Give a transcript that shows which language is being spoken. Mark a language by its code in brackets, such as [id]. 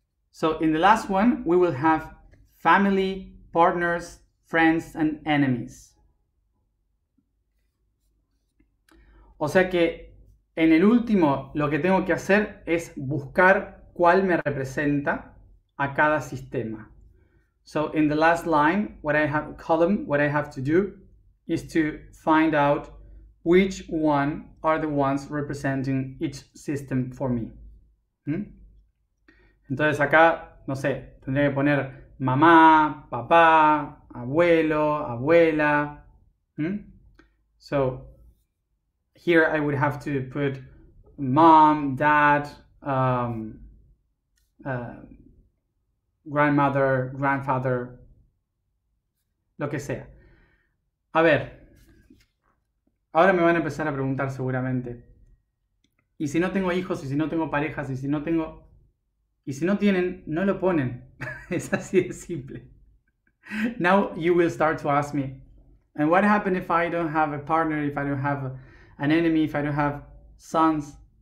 [en] So in the last one, we will have family, partners, friends and enemies. [es] O sea que en el último lo que tengo que hacer es buscar cuál me representa a cada sistema. [en] So in the last line, what I have column, what I have to do is to find out which one are the ones representing each system for me. [es] Entonces acá, no sé, tendría que poner mamá, papá, abuelo, abuela. [en] So here I would have to put mom, dad, grandmother, grandfather, [es] lo que sea. A ver, ahora me van a empezar a preguntar seguramente. ¿Y si no tengo hijos? ¿Y si no tengo parejas? ¿Y si no tengo...? ¿Y si no tienen? No lo ponen. Es así de simple. [en] Now you will start to ask me, and what happened if I don't have a partner, if I don't have an enemy, if I don't have sons?